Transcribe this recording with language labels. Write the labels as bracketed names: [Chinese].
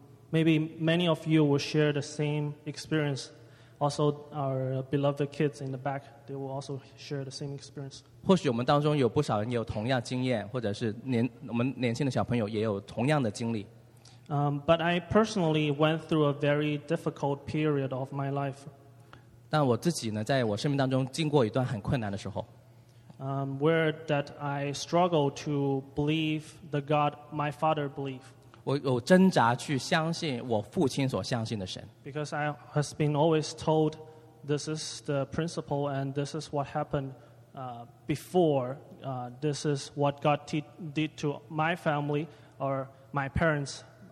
[English] Maybe many of you will share the same experience. Also, our beloved kids in the back, they will also share the same experience. [Chinese] 或许我们当中有不少人也有同样经验，或者是我们年轻的小朋友也有同样的经历。 [English] But I personally went through a very difficult period of my life. [Chinese] 但我自己呢，在我生命当中经过一段很困难的时候。 [English] Where that I struggled to believe the God my father believed. [Chinese] 我挣扎去相信我父亲所相信的神。 [English] Because I has been always told this is the principle and this is what happened before. This is what God did to my family or my parents.